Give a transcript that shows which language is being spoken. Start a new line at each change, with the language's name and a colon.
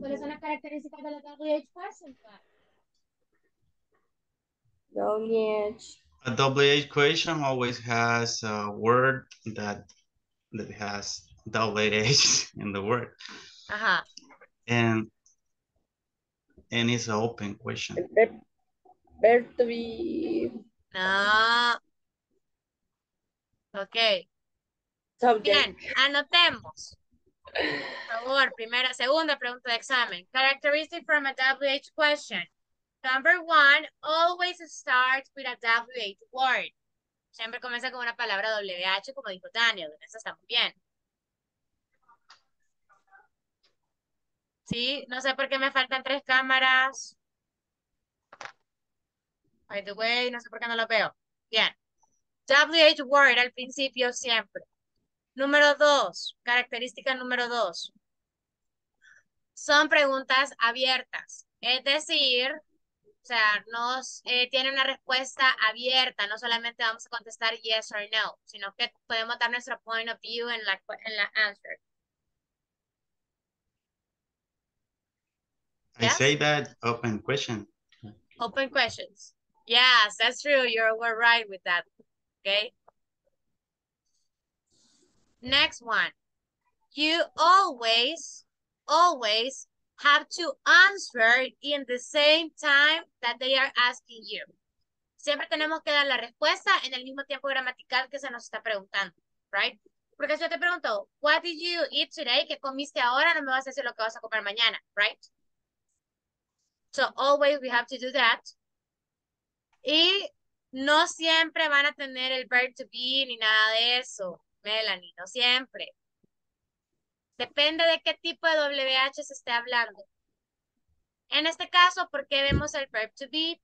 Spanish: ¿Cuál es una característica de la WH person?
English: WH. A WH question always has a word that has WH in the word. Uh-huh. And it's an open question. No. Okay.
Spanish: Bien, anotemos. Por favor, primera, segunda pregunta de examen.
English: Characteristic from a WH question. Number one, always start with a WH word.
Spanish: Siempre comienza con una palabra WH, como dijo Daniel. En eso estamos bien. Sí, no sé por qué me faltan tres cámaras. By the way, no sé por qué no lo veo. Bien. WH word al principio siempre. Número dos, característica número dos. Son preguntas abiertas. Es decir, o sea, nos tiene una respuesta abierta. No solamente vamos a contestar yes or no, sino que podemos dar nuestro point of view en la answer.
English: I yes? say that open question. Open questions. Yes, that's true. You're all right with that. Okay. Next one. You always have to answer in the same time that they are asking you.
Spanish: Siempre tenemos que dar la respuesta en el mismo tiempo gramatical que se nos está preguntando, right? Porque si yo te pregunto,
English: what did you eat today?
Spanish: ¿Qué comiste ahora? No me vas a decir lo que vas a comer mañana, right?
English: So always we have to do that.
Spanish: Y no siempre van a tener el verb to be ni nada de eso, Melanie, no siempre. Depende de qué tipo de WH se esté hablando. En este caso, ¿por qué vemos el verb to be?